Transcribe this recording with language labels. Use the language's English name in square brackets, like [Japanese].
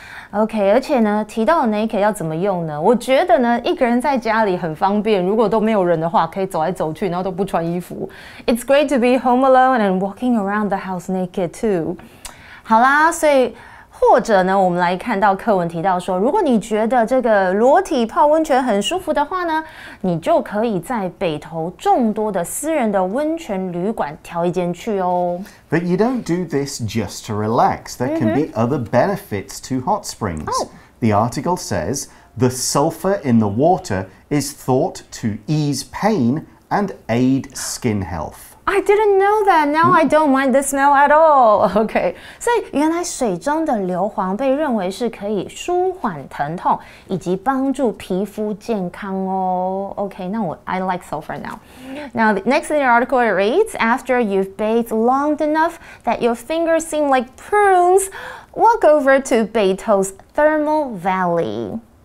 [Chinese] OK, 而且呢提到 naked 要怎么用呢我觉得呢一个人在家里很方便如果都没有人的话可以走来走去然后都不穿衣服。 [English] It's great to be home alone and walking around the house naked too. [Chinese] 好啦所以或者呢我们来看到课文提到说如果你觉得这个裸体泡温泉很舒服的话呢你就可以在北投众多的私人的温泉旅馆挑一间去哦。 [English] But you don't do this just to relax. There can be other benefits to hot springs.、 Oh. The article says, the sulfur in the water is thought to ease pain and aid skin health. I didn't know that. Now I don't mind the smell at all. Okay. [Chinese] 所以原来水中的硫磺被认为是可以舒缓疼痛以及帮助皮肤健康哦。 [English] Okay, now I like sulfur now. Now, next in your article it reads, after you've bathed long enough that your fingers seem like prunes, walk over to Beitou's Thermal Valley.